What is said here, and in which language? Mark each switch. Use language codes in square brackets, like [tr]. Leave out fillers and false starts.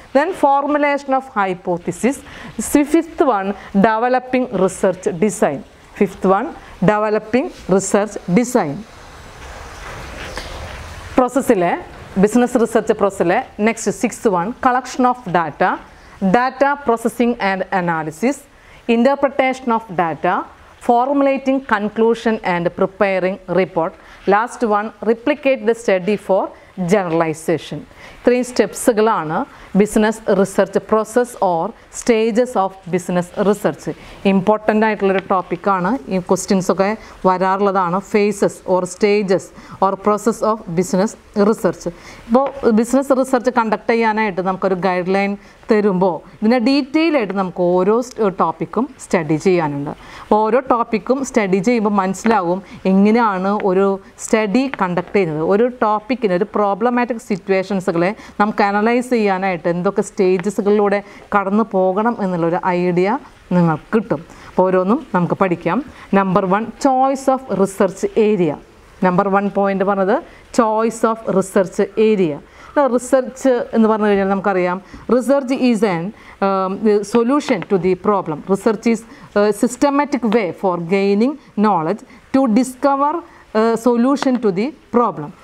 [en] Then formulation of hypothesis. Fifth 1, developing research design. Fifth 1, developing research design. പ്രോസസ്സിലെ business research പ്രോസസ്സിലെ next 6th 1, collection of data, data processing and analysis. Interpretation of data, formulating conclusion and preparing report. Last one, replicate the study for generalization. Three steps galana, business research process or stages of business research. [ml] Important topic aanu ee questions okke vararulladana [en] phases or stages or process of business research. [ml] Ippo business research conduct cheyanayittu namukku oru guideline therumbo idine detail aayittu namukku oro topicum study cheyanundu. Appo oro topicum study cheyumbo manasilagum enginaanu oru study conduct cheynathu oru topic in oru problematic situations gale namukku analyze cheyanayittu എന്തൊക്കെ സ്റ്റേജസുകളിലൂടെ കടന്നു പോകണം എന്നുള്ളൊരു idea നിങ്ങൾക്ക് കിട്ടും. അപ്പോൾ ഓരോന്നും നമുക്ക് പഠിക്കാം. [en] Number one, choice of research area. [ml] Number one point പറഞ്ഞത് [en] Choice of research area. Research [ml] എന്ന് പറഞ്ഞു കഴിഞ്ഞാൽ നമുക്കറിയാം, [en] Research is an solution to the problem. Research is systematic way for gaining knowledge to discover solution to the problem.